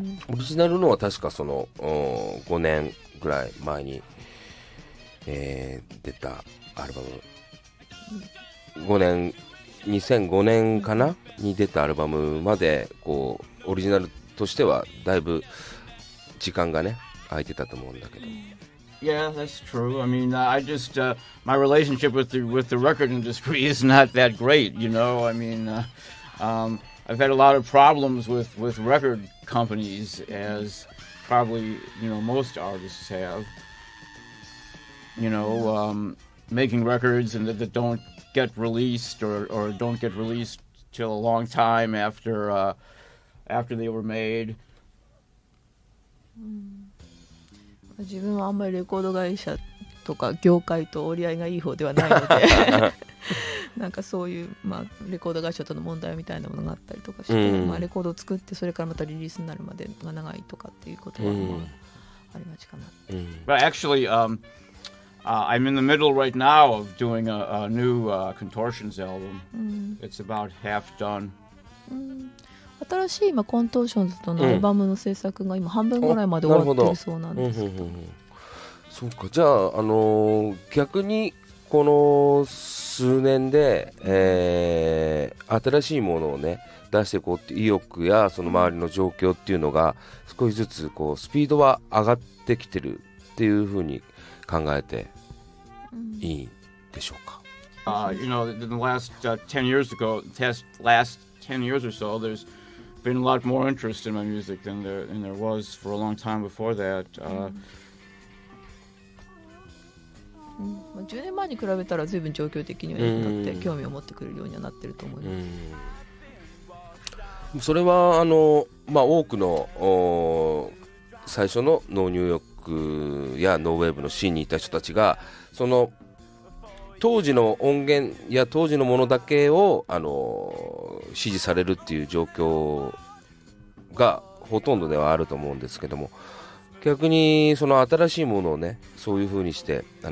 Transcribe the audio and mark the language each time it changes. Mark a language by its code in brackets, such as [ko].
[ja] オリジナルのは確かその5年ぐらい前に、出た。アルバム5年、2005年かなに出たアルバムまでこうオリジナルとしてはだいぶ時間がね空いてたと思うんだけど。 [en] Yeah, that's true. I mean, I just my relationship with the record industry is not that great, you know. I mean, I've had a lot of problems with record companies, as probably, you know, most artists have, you know, making records and that don't get released or don't get released till a long time after they were made. [ja] 自分はあんまりレコード会社とか業界と折り合いがいい方ではないので、なんかそういう、まあ、レコード会社との問題みたいなものがあったりとかして、まあ、レコードを作ってそれからまたリリースになるまでが長いとかっていうことは、まあ、ありがちかな。 [en] Well, actually, I'm in the middle right now of doing a new Contortions album. It's about half done. [ja] 新しい今 Contortions とのアルバムの制作が今半分ぐらいまで終わってるそうなんですけど。そうか。じゃあ逆にこの数年で、新しいものをね出していこうって意欲やその周りの状況っていうのが少しずつこうスピードは上がってきてるっていうふうに考えていいでしょうか。 [en] You know, in the last 10 years ago, last 10 years or so, there's been a lot more interest in my music than there was for a long time before that.、 [ja] 10年前に比べたら随分状況的にはよくなって興味を持ってくれるようにはなってると思います。それはあの、まあ、多くの最初のノーニューヨークやノーウェーブのシーンにいた人たちがその当時の音源や当時のものだけを支持されるっていう状況がほとんどではあると思うんですけども、逆にその新しいものをねそういう風にして